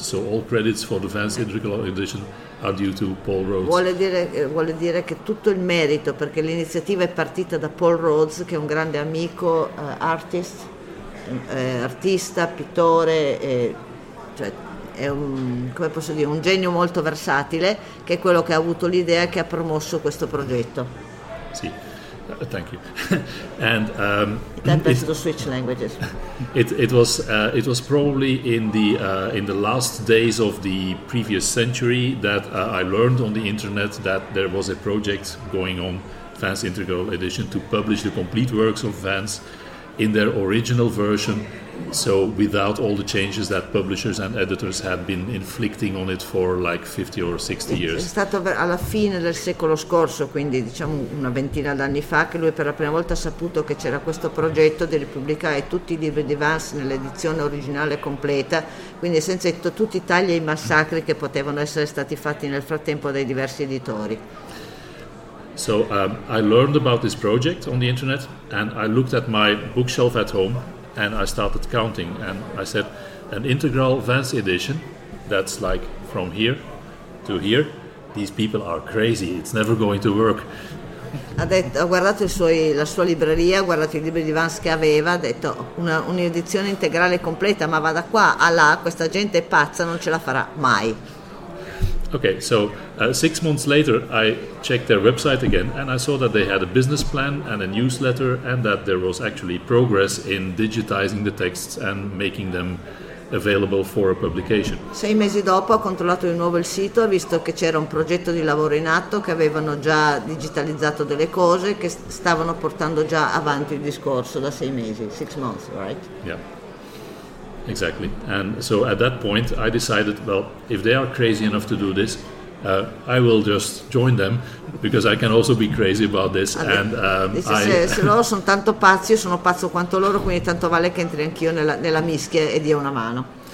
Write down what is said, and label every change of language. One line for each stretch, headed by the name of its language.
English: So all credits for the Vance Integral Edition are due to Paul Rhodes.
Italian: Vuole dire che tutto il merito, perché l'iniziativa è partita da Paul Rhodes, che è un grande amico, artist. Artista, pittore, cioè è un genio molto versatile, che è quello che ha avuto l'idea, che ha promosso questo progetto.
English: Sì, thank you. And to switch languages. It was probably in the last days of the previous century that I learned on the internet that there was a project going on, Vance Integral Edition, to publish the complete works of Vance in their original version, so without all the changes that publishers and editors had been inflicting on it for like 50 or 60 years.
Italian: È stato alla fine del secolo scorso, quindi diciamo una ventina d'anni fa, che lui per la prima volta ha saputo che c'era questo progetto di ripubblicare tutti i libri di Vance nell'edizione originale completa, quindi senza tutti i tagli e i massacri che potevano essere stati fatti nel frattempo dai diversi editori.
English: So I learned about this project on the internet and I looked at my bookshelf at home and I started counting and I said an integral Vance edition, that's like from here to here, these people are crazy, it's never going to work.
Italian: Ha guardato la sua libreria, ha guardato i libri di Vance che aveva, ha detto un'edizione integrale completa, ma va da qua a là, questa gente è pazza, non ce la farà mai.
English: Okay, so 6 months later, I checked their website again, and I saw that they had a business plan and a newsletter, and that there was actually progress in digitizing the texts and making them available for a publication.
Italian: Sei mesi dopo ho controllato di nuovo il sito, visto che c'era un progetto di lavoro in atto, che avevano già digitalizzato delle cose, che stavano portando già avanti il discorso da sei mesi,
English: 6 months, right? Yeah, exactly. And so at that point I decided, well, if they are crazy enough to do this, I will just join them, because I can also be crazy about this.
Italian: Se loro sono tanto pazzi, io sono pazzo quanto loro, quindi tanto vale che entri anch'io nella mischia e dia una mano.